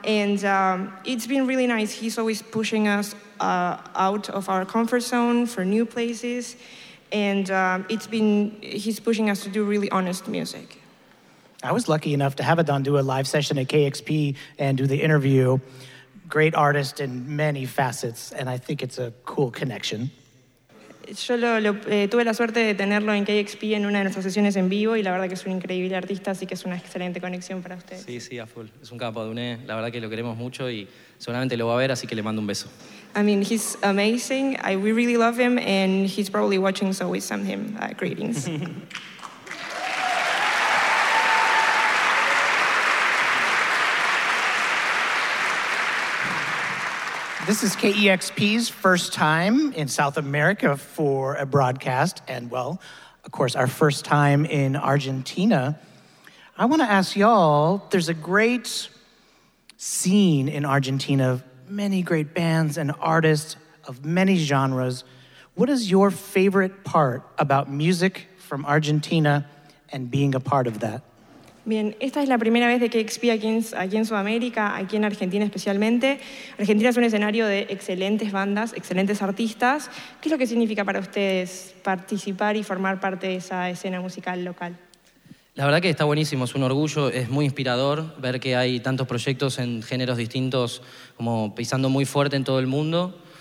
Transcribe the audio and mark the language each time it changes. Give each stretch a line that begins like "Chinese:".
English: And it's been really nice. He's always pushing us out of our comfort zone for new places. And he's pushing us to do really honest music. I was lucky enough to have Adan do a live session at KXP and do the interview. Great artist in many facets, and I think it's a cool connection.
Spanish: Yo tuve la suerte de tenerlo en KXP en una de nuestras sesiones en vivo, y la verdad que es un increíble artista, así que es una excelente conexión para ustedes. Sí, sí, a full. Es un capo de UNE. La verdad que lo queremos mucho, y seguramente lo va a ver, así que le mando un beso.
English: I mean, he's amazing. We really love him, and he's probably watching, so we send him greetings. This is KEXP's first time in South America for a broadcast, and well, of course, our first time in Argentina. I want to ask y'all, there's a great scene in Argentina of many great bands and artists of many genres. What is your favorite part about music from Argentina and being a part of that?
Spanish: Bien, esta es la primera vez de KXP aquí en Sudamérica, aquí en Argentina especialmente. Argentina es un escenario de excelentes bandas, excelentes artistas. ¿Qué es lo que significa para ustedes participar y formar parte de esa escena musical local? La verdad que está buenísimo, es un orgullo, es muy inspirador ver que hay tantos proyectos en géneros distintos como pisando muy fuerte en todo el mundo.